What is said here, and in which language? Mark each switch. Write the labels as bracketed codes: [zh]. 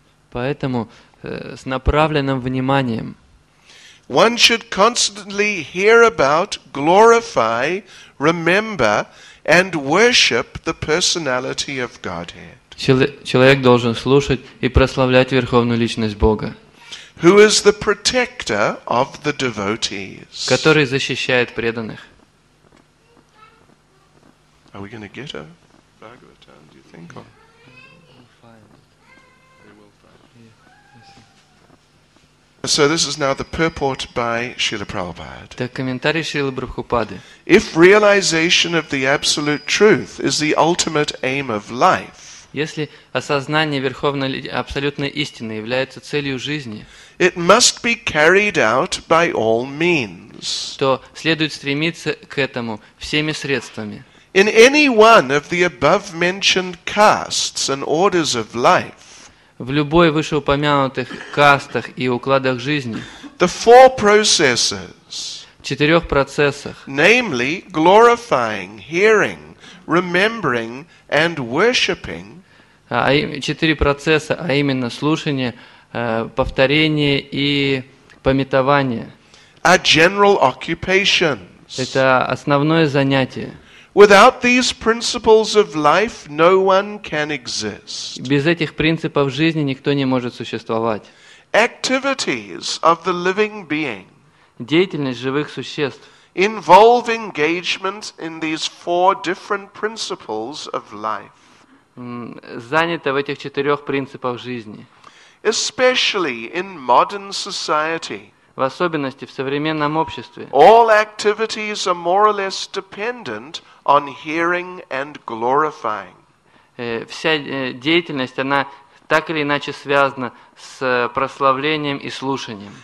[ru] Поэтому с направленным вниманием. [en] One should constantly hear about, glorify, remember, and worship the personality of Godhead. [ru] Человек должен слушать и прославлять Верховную Личность Бога. [en] Who is the protector of the devotees? [ru] Который защищает преданных. [en] Are we going to get a Bhagavatam, do you think? So this is now the purport by Srila Prabhupada. [ru] Так комментарий Шрилы Прабхупады. [en] If realization of the absolute truth is the ultimate aim of life. [ru] Если осознание верховной абсолютной истины является целью жизни. [en] It must be carried out by all means. [ru] То следует стремиться к этому всеми средствами. [en] In any one of the above mentioned castes and orders of life. [ru] В любой вышеупомянутых кастах и укладах жизни. [en] The four processes. [ru] В четырех процессах. [en] Namely, glorifying, hearing, remembering, and worshiping. [ru] Четыре процесса, а именно слушание, повторение и памятование. [en] Are general occupations. [ru] Это основное занятие. [en] Without these principles of life, no one can exist. [ru] Без этих принципов жизни никто не может существовать. [en] Activities of the living being. [ru] Деятельность живых существ. [en] Involve engagement in these four different principles of life. [ru] Занято в этих четырех принципах жизни. [en] Especially in modern society. [ru] В особенности в современном обществе. [en] All activities are more or less dependent on hearing and glorifying. [ru] Вся деятельность, она так или иначе связана с прославлением и слушанием.